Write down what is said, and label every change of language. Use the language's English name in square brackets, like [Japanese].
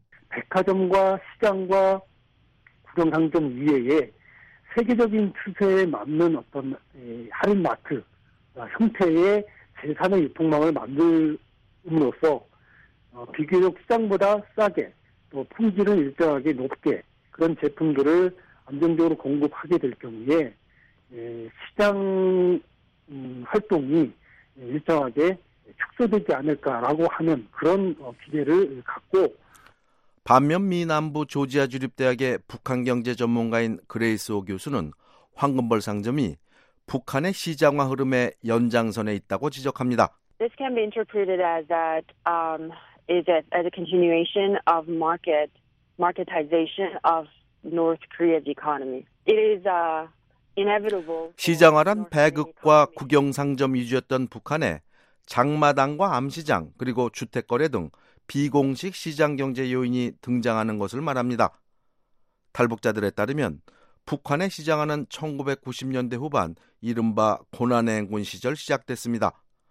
[Korean] 백화점과 시장과 국영 상점 이외에 세계적인 추세에 맞는 어떤 할인마트 형태의 재산의 유통망을 만들므로써 비교적 시장보다 싸게 또 품질은 일정하게 높게 그런 제품들을 안정적으로 공급하게 될 경우에 시장 활동이 일정하게 축소되지 않을까라고 하는 그런 기대를 갖고 반면 미 남부 조지아 주립대학의 북한 경제 전문가인 그레이스 오 교수는 황금벌 상점이 북한의 시장화 흐름의 연장선에 있다고 지적합니다. [English] This can be interpreted as that as a continuation of marketization of North Korea's economy. It is inevitable. [Korean] 시장화란 배급과 국영 상점 위주였던 북한의 장마당과 암시장 그리고 주택 거래 등 비공식 시장 경제 요인이 등장하는 것을 말합니다. 탈북자들에 따르면 북한의 시장화는 1990년대 후반 이른바 고난의 행군 시절 시작됐습니다.